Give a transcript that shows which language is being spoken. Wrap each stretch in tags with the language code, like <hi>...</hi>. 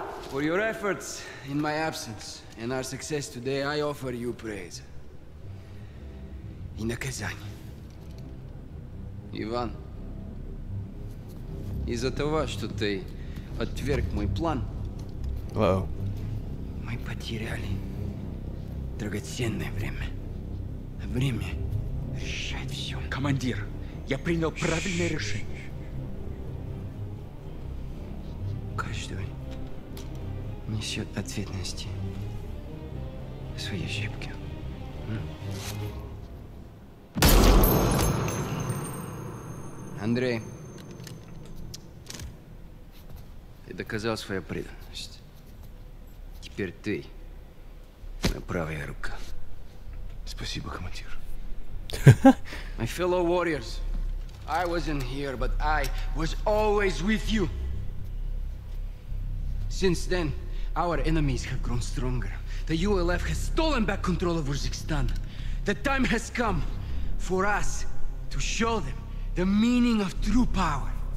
<en>For your efforts in my absence and our success today, I offer you praise.</en> <ru>и на Казань. Иван, из-за того, что ты отверг мой план, мы потеряли драгоценное время. Время решает все. Командир, я принял правильное решение. Каждый несет ответственность за свои ошибки. Андрей, ты доказал свою преданность. Теперь ты моя правая рука. Спасибо, командир.</ru> <en>My fellow warriors, I wasn't here, but I was always with you. Since then, our enemies have grown stronger. The ULF has stolen back control of Uzbekistan. The time has come for us to show them the meaning of true power.</en>